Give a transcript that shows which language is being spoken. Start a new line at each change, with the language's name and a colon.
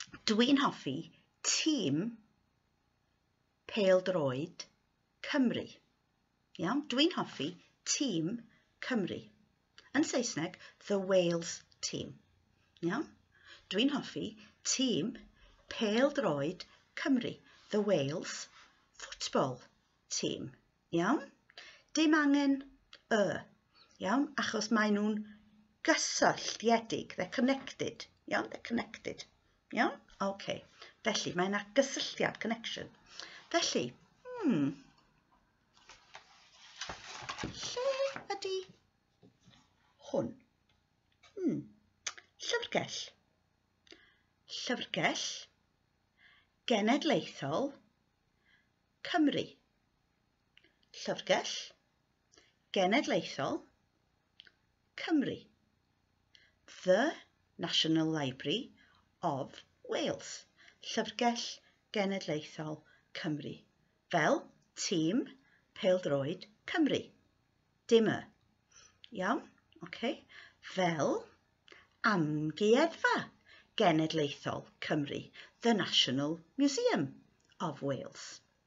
Welsh: Dwi'n hoffi tîm pêl-droed Cymru. Iawn? Dwi'n hoffi tîm Cymru. Yn Saesneg,
English: the Wales team.
Welsh: Iawn? Dwi'n hoffi tîm pêl-droed Cymru.
English: The Wales football team.
Welsh: Iawn? Dim angen y. Iawn? Achos mae nhw'n gysylltiedig.
English: They're connected.
Welsh: Iawn? They're connected. Iawn? OK. Felly, mae yna gysylltiad, connection. Felly, Lle ydy hwn? Llyfrgell. Llyfrgell Genedlaethol Cymru. Llyfrgell Genedlaethol Cymru.
English: The National Library of Wales.
Welsh: Llyfrgell Genedlaethol Cymru. Fel tîm pêl-droed Cymru. Dimmer. Iawn, okay. Fel amgueddfa genedlaethol Cymru,
English: the National Museum of Wales.